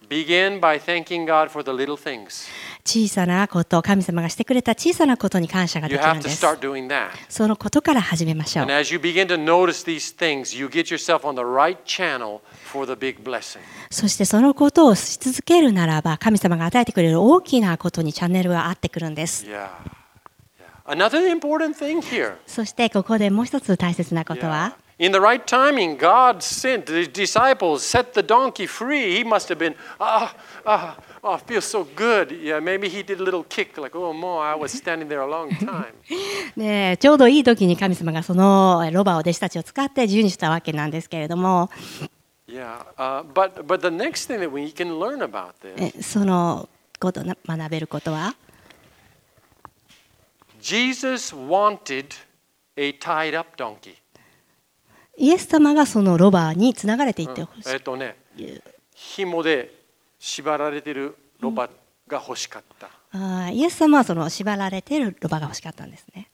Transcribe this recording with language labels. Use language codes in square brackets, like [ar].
[en] begin by thanking God for the little things. [ja] 小さなこと、神様がしてくれた小さなことに感謝ができるんです。そのことから始めましょう。 [en] And as you begin to notice these things, you get yourself on the right channel for the big blessing. [ja] そしてそのことをし続けるならば、神様が与えてくれる大きなことにチャンネルが合ってくるんです。 [en] Yeah. Yeah. Another important thing here. [ja] そしてここでもう一つ大切なことは、 [en] In the right timing, God sent the disciples, set the donkey free. He must have been, Oh, it feels so good. Yeah, maybe he did a little kick, like, oh, more. I was standing there a long time. [ja] ねえ、ちょうどいい時に神様がそのロバを弟子たちを使って自由にしたわけなんですけれども。 [en] Yeah, but the next thing that we can learn about this. [ja] そのことを学べることは、 [en] Jesus wanted a tied up donkey. [ja] イエス様がそのロバにつながれていってほしい。ね、紐で。縛られているロバが欲しかった。イエス様はその縛られているロバが欲しかったんですね。